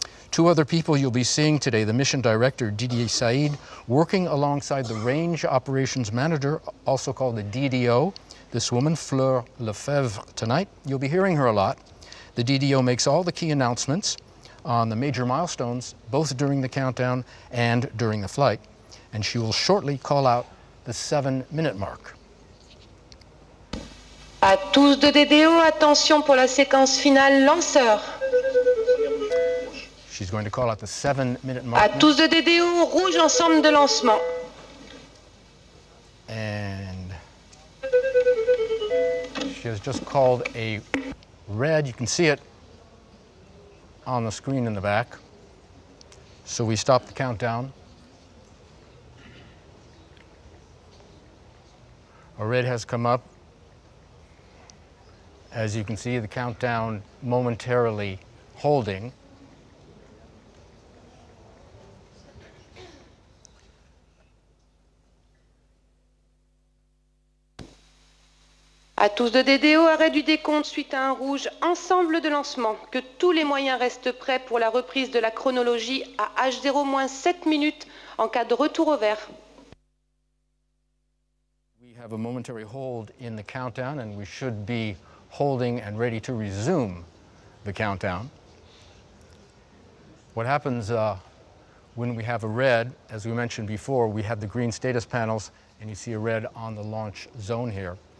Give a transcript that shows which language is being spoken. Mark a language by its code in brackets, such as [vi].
[en] Two other people you'll be seeing today, the mission director, Didier Saïd, working alongside the range operations manager, also called the DDO, this woman, Fleur Lefebvre, tonight. You'll be hearing her a lot. The DDO makes all the key announcements on the major milestones, both during the countdown and during the flight. And she will shortly call out the 7 minute mark. [fr] À tous de DDO, attention pour la séquence finale lanceur. [en] She's going to call out the 7 minute mark. [fr] À tous de DDO, rouge ensemble de lancement. [en] And she has just called a red. You can see it on the screen in the back. So we stop the countdown. A red has come up. As you can see, the countdown momentarily holding. [fr] À tous de DDO, arrêt du décompte suite à un rouge, ensemble de lancement. Que tous les moyens restent prêts pour la reprise de la chronologie à H0 moins 7 minutes en cas de retour au vert. [en] We have a momentary hold in the countdown and we should be holding and ready to resume the countdown. What happens when we have a red, as we mentioned before, we have the green status panels and you see a red on the launch zone here.